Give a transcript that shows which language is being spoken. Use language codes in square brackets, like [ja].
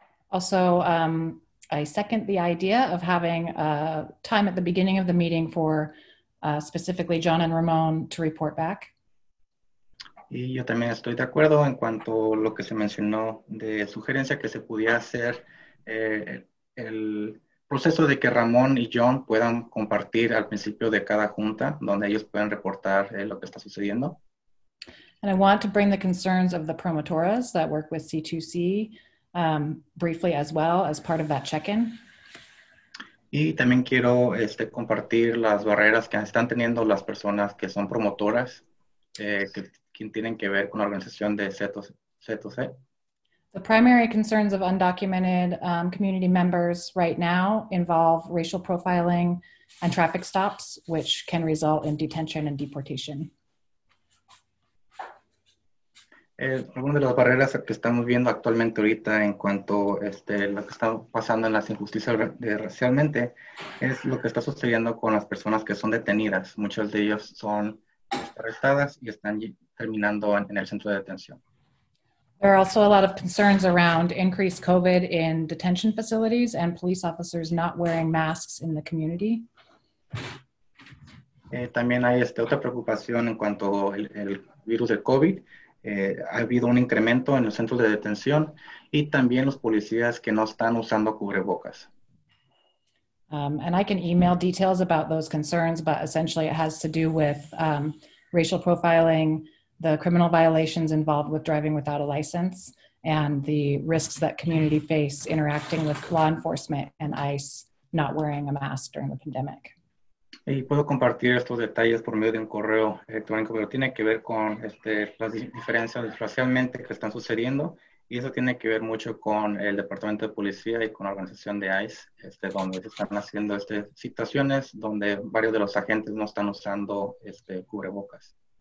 [en] Also, I second the idea of having a time at the beginning of the meeting for specifically John and Ramon to report back. [es] Y yo también estoy de acuerdo en cuanto a lo que se mencionó de sugerencia que se pudiera hacer el proceso de que Ramón y John puedan compartir al principio de cada junta donde ellos puedan reportar lo que está sucediendo. [en] And I want to bring the concerns of the promotoras that work with C2C briefly as well as part of that check-in. [es] Y también quiero compartir las barreras que están teniendo las personas que son promotoras que tienen que ver con la organización de C2C. [en] The primary concerns of undocumented community members right now involve racial profiling and traffic stops, which can result in detention and deportation. [es] Una de las barreras que estamos viendo actualmente ahorita en cuanto lo que está pasando en las injusticias racialmente es lo que está sucediendo con las personas que son detenidas. Muchas de ellas son arrestadas y están terminando en el centro de detención. [en] There are also a lot of concerns around increased COVID in detention facilities and police officers not wearing masks in the community. [es] También hay otra preocupación en cuanto el virus del COVID. Ha habido un incremento en los centros de detención y también los policías que no están usando cubrebocas. [en] And I can email details about those concerns, but essentially it has to do with racial profiling, the criminal violations involved with driving without a license, and the risks that community face interacting with law enforcement and ICE not wearing a mask during the pandemic. [es] Y puedo compartir estos detalles por medio de un correo electrónico, pero tiene que ver con las diferencias racialmente que están sucediendo, y eso tiene que ver mucho con el Departamento de Policía y con la organización de ICE, donde se están haciendo situaciones donde varios de los agentes no están usando cubrebocas.